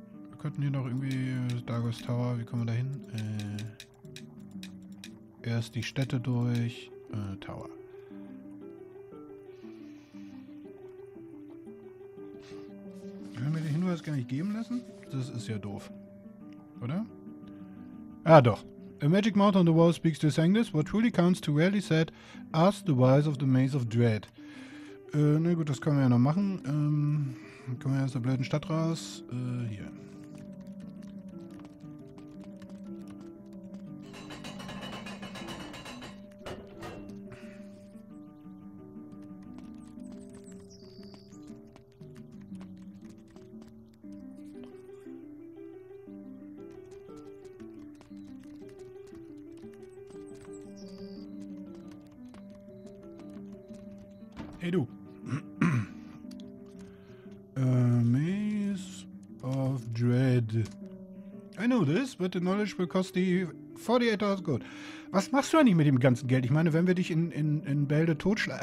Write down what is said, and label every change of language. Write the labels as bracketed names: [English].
[German] Wir könnten hier noch irgendwie. Dagos Tower, wie kommen wir da hin? Erst die Städte durch. Tower. Können wir den Hinweis gar nicht geben lassen? Das ist ja doof. Oder? Ah, doch. [English] A magic mouth on the wall speaks to Sangus, what truly counts to rarely said, ask the wise of the Maze of Dread. [German] Na gut, das können wir ja noch machen. Kommen wir aus der blöden Stadt raus. Hier. Hey du. [English] Maze of Dread. I know this, but the knowledge will cost the 48,000 gold. [German] Was machst du eigentlich mit dem ganzen Geld? Ich meine, wenn wir dich in Bälde totschlagen.